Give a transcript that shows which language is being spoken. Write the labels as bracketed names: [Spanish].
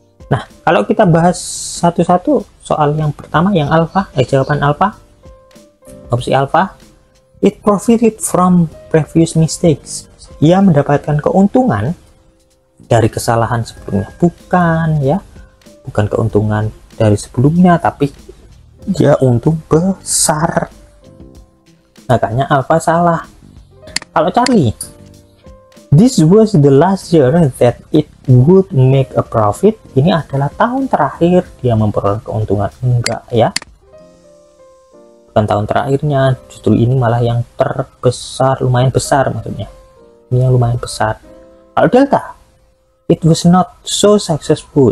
[Indonesian] Nah, kalau kita bahas satu-satu, soal yang pertama yang alpha, jawaban alpha, opsi alpha, [English] it profited from previous mistakes. [Indonesian] Ia mendapatkan keuntungan dari kesalahan sebelumnya, bukan ya, bukan keuntungan dari sebelumnya, tapi dia untung besar. Makanya alpha salah. Kalau Charlie, [English] This was the last year that it would make a profit. [Indonesian] Ini adalah tahun terakhir dia memperoleh keuntungan. Enggak ya. Bukan tahun terakhirnya, justru ini malah yang terbesar, lumayan besar maksudnya. Ini yang lumayan besar. Kalau Delta, [English] it was not so successful.